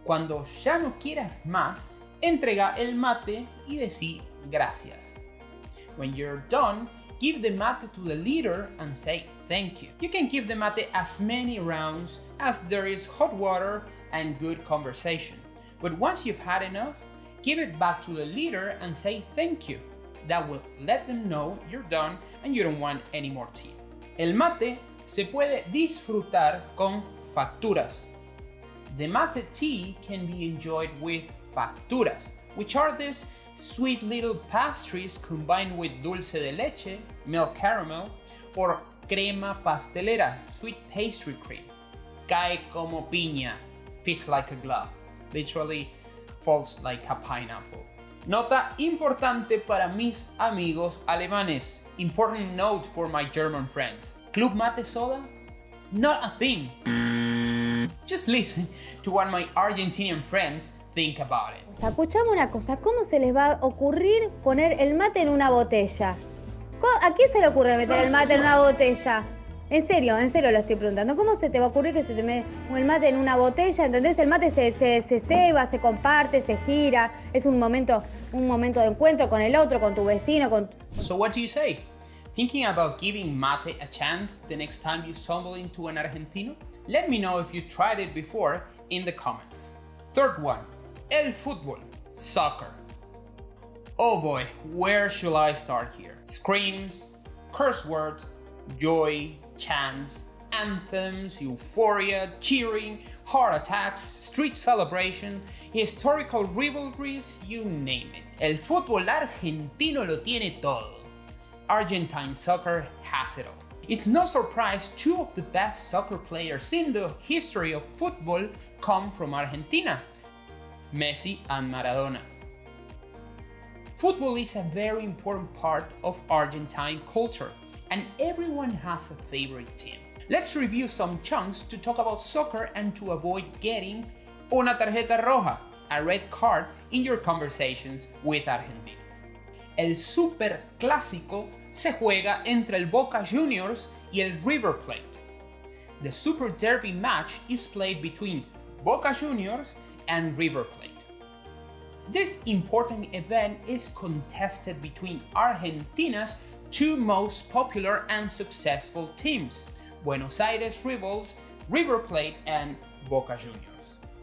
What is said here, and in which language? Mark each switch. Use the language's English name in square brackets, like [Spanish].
[Spanish] Cuando ya no quieras más, entrega el mate y decí gracias. [English] When you're done, give the mate to the leader and say thank you. You can give the mate as many rounds as there is hot water and good conversation. But once you've had enough, give it back to the leader and say thank you. That will let them know you're done and you don't want any more tea. [Spanish] El mate se puede disfrutar con facturas. [English] The mate tea can be enjoyed with facturas, which are these sweet little pastries combined with dulce de leche, milk caramel, or crema pastelera, sweet pastry cream. [Spanish] Cae como piña, [English] fits like a glove, literally falls like a pineapple. [Spanish] Nota importante para mis amigos alemanes. [English] Important note for my German friends. Club mate soda? Not a thing. Just listen to what my Argentinian friends think about it. [Spanish] O sea, escuchame una cosa, ¿cómo se les va a ocurrir poner el mate en una botella? ¿A quién se le ocurre meter el mate en una botella? En serio lo estoy preguntando. ¿Cómo se te va a ocurrir que se te mete el mate en una botella? ¿Entendés? El mate se ceba, se comparte, se gira. Es un momento de encuentro con el otro, con tu vecino, con... [English] So what do you say? Thinking about giving mate a chance the next time you stumble into an Argentino? Let me know if you tried it before in the comments. Third one, el fútbol, soccer. Oh boy, where shall I start here? Screams, curse words, joy, chants, anthems, euphoria, cheering, heart attacks, street celebration, historical rivalries, you name it. [Spanish] El fútbol argentino lo tiene todo. [English] Argentine soccer has it all. It's no surprise two of the best soccer players in the history of football come from Argentina, Messi and Maradona. Football is a very important part of Argentine culture, and everyone has a favorite team. Let's review some chunks to talk about soccer and to avoid getting [Spanish] una tarjeta roja, [English] a red card, in your conversations with Argentinians. [Spanish] El Super Clásico se juega entre el Boca Juniors y el River Plate. [English] The Super Derby match is played between Boca Juniors and River Plate. This important event is contested between Argentina's two most popular and successful teams, Buenos Aires Rivals, River Plate and Boca Juniors.